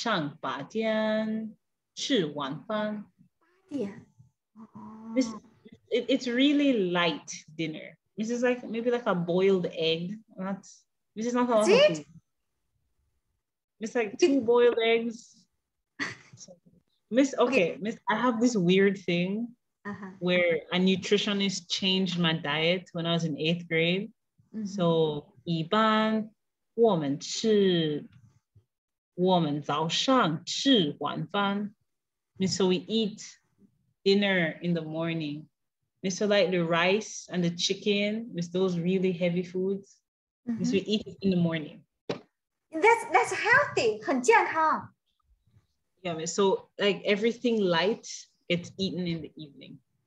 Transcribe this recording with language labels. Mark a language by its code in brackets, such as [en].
[zh] 现在我们晚上八点吃晚饭。八点? [en] It's really light dinner. This is like maybe like a boiled egg. This is not a lot. Is it? It's like two boiled eggs. Miss, I have this weird thing where a nutritionist changed my diet when I was in eighth grade. Mm-hmm. [zh] So, 一般我们早上吃晚饭. [en] So we eat dinner in the morning. So like the rice and the chicken with those really heavy foods. Mm-hmm. So we eat it in the morning. That's healthy, [zh] 很健康. [en] Yeah, so like everything light gets eaten in the evening.